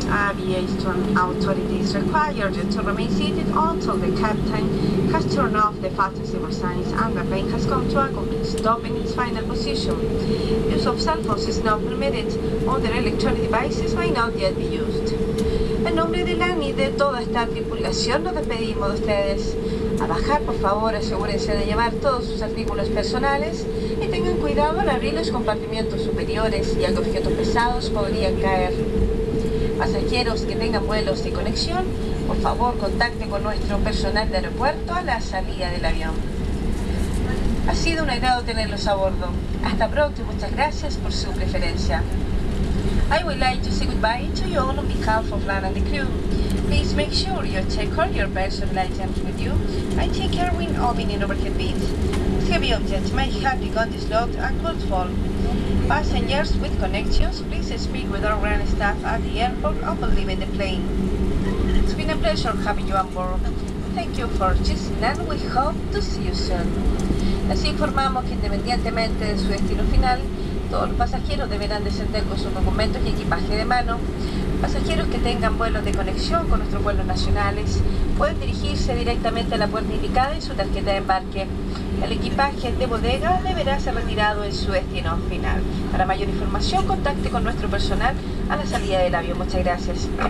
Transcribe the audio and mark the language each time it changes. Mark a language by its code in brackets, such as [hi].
[en] Aviation authorities require you to remain seated until the captain has turned off the fasten seatbelt signs and the plane has come to a complete stop in its final position. Use of cell phones is not permitted. Other electronic devices may not yet be used. [es] En nombre de Lani y de toda esta tripulación, nos despedimos de ustedes. A bajar, por favor, asegúrense de llevar todos sus artículos personales y tengan cuidado al abrir los compartimientos superiores, ya que objetos pesados podrían caer. Pasajeros que tengan vuelos de conexión, por favor, contacte con nuestro personal de aeropuerto a la salida del avión. Ha sido un agrado tenerlos a bordo. Hasta pronto y muchas gracias por su preferencia. [en] I would like to say goodbye to you all on behalf of Lana and the crew. Please make sure you check all your personal items with you and take care when opening overhead bins. Heavy objects may have begun to slot and could fall. Passengers with connections, please speak with our ground staff at the airport upon leaving the plane. It's been a pleasure having you on board. Thank you for choosing and we hope to see you soon. [es] Les informamos que independientemente de su destino final, todos los pasajeros deberán descender con sus documentos y equipaje de mano. Pasajeros que tengan vuelos de conexión con nuestros vuelos nacionales pueden dirigirse directamente a la puerta indicada en su tarjeta de embarque. El equipaje de bodega deberá ser retirado en su destino final. Para mayor información, contacte con nuestro personal a la salida del avión. Muchas gracias.